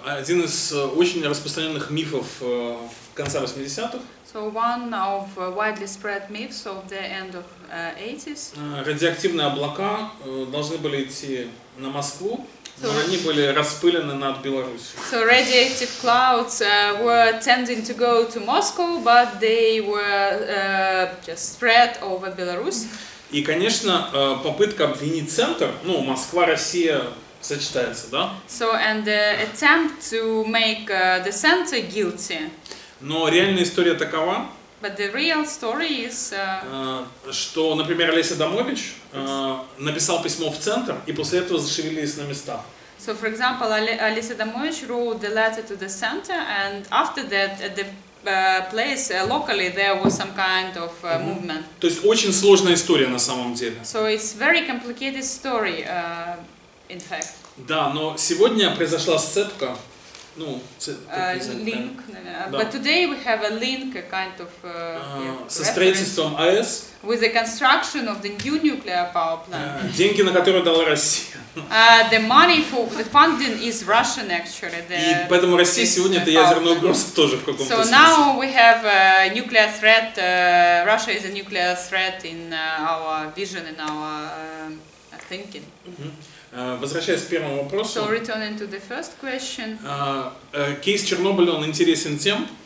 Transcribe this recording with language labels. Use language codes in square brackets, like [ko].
[ru] Один из очень распространенных мифов в конце 80-х. [en] So one of widely spread myths of the end of 80s. [ru] Радиоактивные облака должны были идти на Москву, но они были распылены над Беларусью. [en] So radioactive clouds were tending to go to Moscow, but they were just spread over Belarus. [ru] И, конечно, попытка обвинить центр, ну, Москва, Россия, сочетается, да? [en] So, and the attempt to make the center guilty. [ru] Но реальная история такова. [en] But the real story is... [ru] Что, например, Олеся Домович написал письмо в центр, и после этого зашевелились на местах. [en] So, for example, Олеся Домович wrote the letter to the center, and after that, at the... place locally there was some kind of movement. [ru] То есть очень сложная история на самом деле. [en] So it's very complicated story, in fact. [ru] Да, но сегодня произошла сцепка, ну, [en] link. Да. But today we have a link, a kind of [ru] со строительством АЭС. [en] With the construction of the new nuclear power plant. [ru] Деньги, на которые дала Россия. [en] The money for the funding is Russian, actually. [ru] И поэтому Россия сегодня это ядерная угроза тоже в каком-то смысле. [en] So now we have a nuclear threat. Russia is a nuclear threat in our vision, in our thinking. [ru] Возвращаясь к первому вопросу. [en] So returning to the first question. [ru] Кейс Чернобыля, он интересен тем.